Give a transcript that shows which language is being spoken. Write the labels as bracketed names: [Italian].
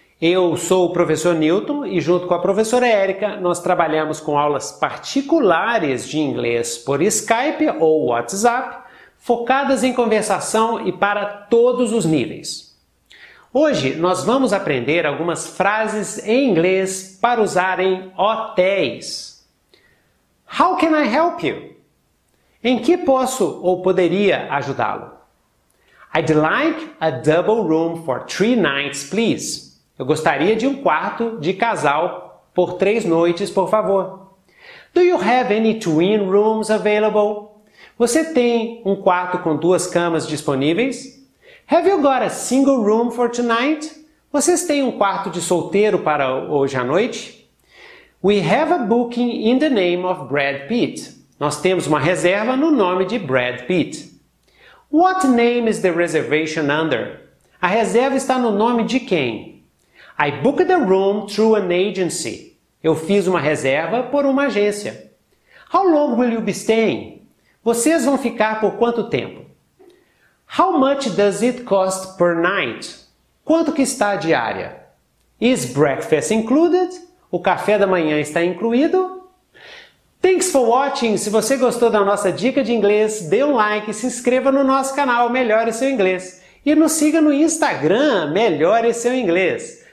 [Portuguese] Eu sou o professor Newton e junto com a professora Erika, nós trabalhamos com aulas particulares de inglês por Skype ou WhatsApp, focadas em conversação e para todos os níveis. Hoje nós vamos aprender algumas frases em inglês para usar em hotéis. [English] How can I help you? [Portuguese] Em que posso ou poderia ajudá-lo? [English] I'd like a double room for 3 nights, please. [Portuguese] Eu gostaria de um quarto de casal por 3 noites, por favor. [English] Do you have any twin rooms available? [Portuguese] Você tem um quarto com 2 camas disponíveis? [English] Have you got a single room for tonight? [Portuguese] Vocês têm um quarto de solteiro para hoje à noite? [English] We have a booking in the name of Brad Pitt. [Portuguese] Nós temos uma reserva no nome de Brad Pitt. [English] What name is the reservation under? [Portuguese] A reserva está no nome de quem? [English] I booked a room through an agency. [Portuguese] Eu fiz uma reserva por uma agência. [English] How long will you be staying? [Portuguese] Vocês vão ficar por quanto tempo? [English] How much does it cost per night? [Portuguese] Quanto que está a diária? [English] Is breakfast included? [Portuguese] O café da manhã está incluído? [English] Thanks for watching! [Portuguese] Se você gostou da nossa dica de inglês, dê um like, se inscreva no nosso canal Melhore Seu Inglês e nos siga no Instagram Melhore Seu Inglês.